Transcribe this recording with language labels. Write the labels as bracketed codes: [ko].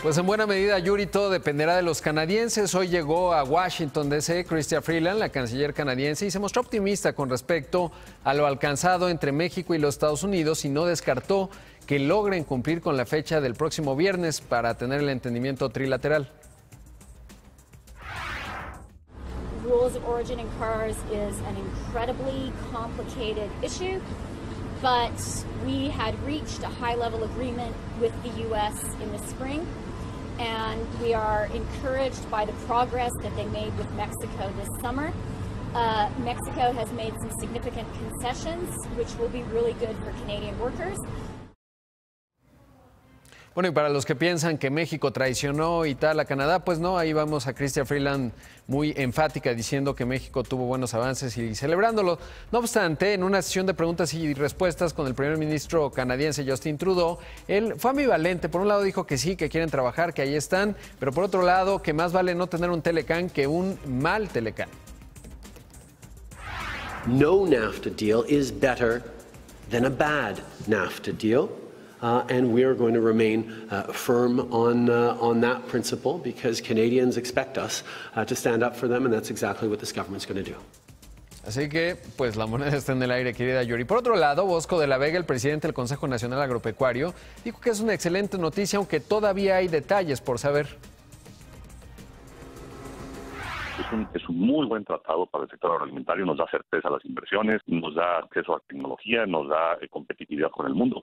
[es] Pues en buena medida, Yuri, todo dependerá de los canadienses. Hoy llegó a Washington DC Chrystia Freeland, la canciller canadiense, y se mostró optimista con respecto a lo alcanzado entre México y los Estados Unidos y no descartó que logren cumplir con la fecha del próximo viernes para tener el entendimiento trilateral. [en] Rules of origin in cars is an incredibly complicated issue, but we had reached a high level agreement with the U.S. in the spring, and we are encouraged by the progress that they made with Mexico this summer. Mexico has made some significant concessions, which will be really good for Canadian workers. [es] Bueno, y para los que piensan que México traicionó y tal a Canadá, pues no, ahí vamos a Chrystia Freeland muy enfática diciendo que México tuvo buenos avances y celebrándolo. No obstante, en una sesión de preguntas y respuestas con el primer ministro canadiense Justin Trudeau, él fue ambivalente. Por un lado dijo que sí, que quieren trabajar, que ahí están, pero por otro lado, que más vale no tener un Telecán que un mal Telecán. [en] No NAFTA deal is better than a bad NAFTA deal. And we are going to remain firm on that principle because Canadians expect us to stand up for them, and that's exactly what this government's going to do. [es] Así que, pues la moneda está en el aire, querida Yuri. Por otro lado, Bosco de la Vega, el presidente del Consejo Nacional Agropecuario, dijo que es una excelente noticia, aunque todavía hay detalles por saber. Es un muy buen tratado para el sector agroalimentario, nos da certeza a las inversiones, nos da acceso a tecnología, nos da competitividad con el mundo.